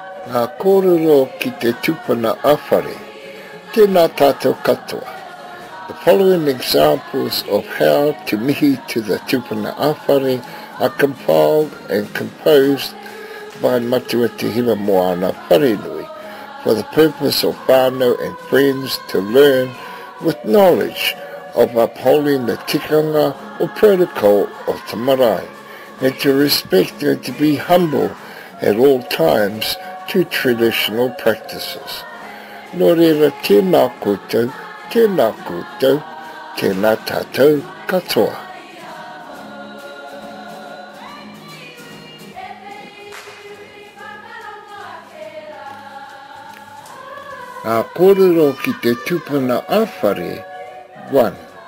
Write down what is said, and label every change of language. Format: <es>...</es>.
<mi>Ngā kōrero ki te Tuupuna-a-whare, tēnā tātou katoa.</mi> <en>The following examples of how to mihi to the Tuupuna-a-whare are compiled and composed by Matua Te Hira Moana Wharenui for the purpose of whānau and friends to learn with knowledge of upholding the tikanga or protocol of te marae and to respect and to be humble at all times to traditional practices.</en> <mi>Nō reira, tēnā koutou, tēnā koutou, tēnā tātou katoa. Ngā kōrero ki te Tuupuna-a-whare, 1.</mi>